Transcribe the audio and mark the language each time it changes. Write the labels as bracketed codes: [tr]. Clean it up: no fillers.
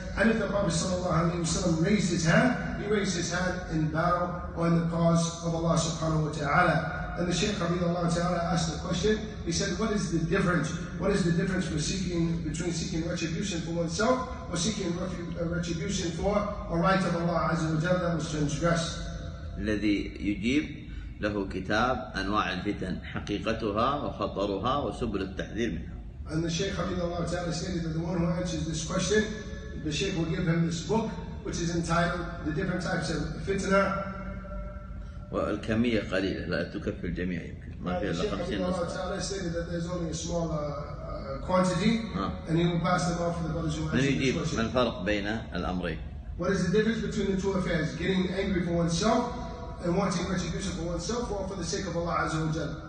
[en] And if the Prophet sallallahu alaihi wasallam raised his hand, he raised his hand in battle or in the cause of Allah subhanahu wa ta'ala. And the Shaykh Habibullah ta'ala asked the question, he said, what is the difference? What is the difference between seeking retribution for oneself or seeking retribution for a right of Allah azza wa jalla that was transgressed? [ar] الذي يجيب له كتاب أنواع الفتن حقيقتها وخطرها وسبل التحذير منها. [en] And the Shaykh حبيب الله تعالى said that the one who answers this question, the Shaykh will give him this book which is entitled The Different Types of Fitna. [ar] والكمية قليلة لا تكفي الجميع، يمكن ما فيها إلا 50 نسخة. [en] And the Shaykh حبيب الله تعالى said that there's only a small quantity and he will pass them off for the brothers who answer this question. [ar] ما الفرق بين الأمرين؟ [en] What is the difference between the two affairs? Getting angry for oneself and wanting retribution for oneself or for the sake of Allah Azza wa Jal.